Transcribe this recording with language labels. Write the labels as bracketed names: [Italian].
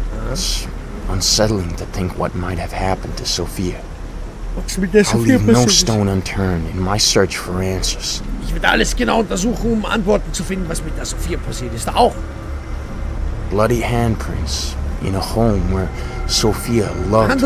[English] It's unsettling to think what might have happened to Sophia. I'll leave no stone unturned in my search for answers. [German] Ich werde alles genau untersuchen, um Antworten zu finden, was mit der Sophia passiert ist. Auch. [English] Bloody handprints in a home where Sophia loved